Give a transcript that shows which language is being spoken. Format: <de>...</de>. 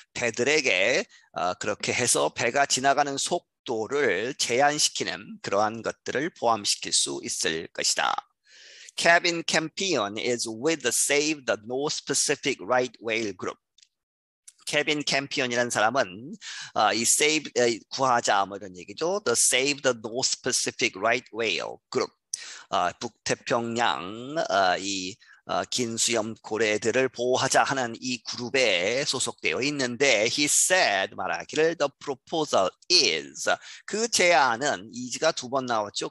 <ko>배들에게 그렇게 해서 배가 지나가는 속도를 제한시키는 그러한 것들을 포함시킬 수 있을 것이다.</ko> <en>Kevin Campion is with the Save the North Pacific Right Whale Group.</en> <ko>케빈 캠피언이라는 사람은 이 Save 구하자 뭐 이런 얘기죠. The Save the North Pacific Right Whale Group. 북태평양 이 긴수염고래들을 보호하자 하는 이 그룹에 소속되어 있는데</ko> <en>he said</en> <ko>말하기를</ko> <en>the proposal is</en> <ko>그 제안은 is가 두번 나왔죠.</ko>